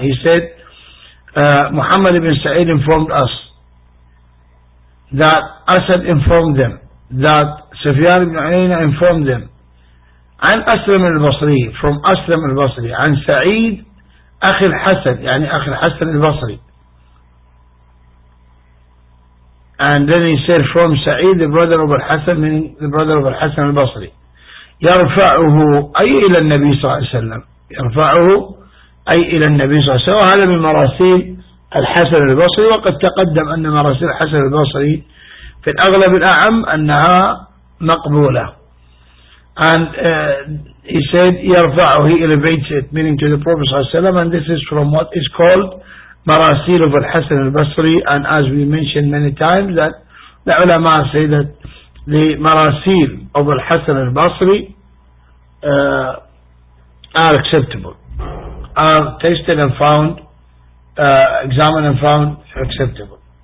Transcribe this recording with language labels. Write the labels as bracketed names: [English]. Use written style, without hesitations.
[English] He said [Arabic] محمد بن سعيد [English] informed us that Asad informed them, that [Arabic] سفيان بن عيينة [English] informed them [Arabic] عن أسلم البصري، from أسلم البصري، عن سعيد أخي الحسن، يعني أخي الحسن البصري. [English] And then he said from سعيد the brother of الحسن، meaning the brother of الحسن البصري. [Arabic] يرفعه أي إلى النبي صلى الله عليه وسلم، يرفعه أي إلى النبي صلى الله عليه وسلم. هذا من مراسيل الحسن البصري، وقد تقدم أن مراسيل الحسن البصري في الأغلب الأعم أنها مقبولة. [English] And he said [Arabic] يرفعه إلى بيته، [English] meaning to the Prophet صلى الله عليه وسلم. And this is from what is called مراسيل of الحسن البصري. And as we mentioned many times that the علماء say that the مراسيل of الحسن البصري are acceptable, are tested and found, examined and found acceptable.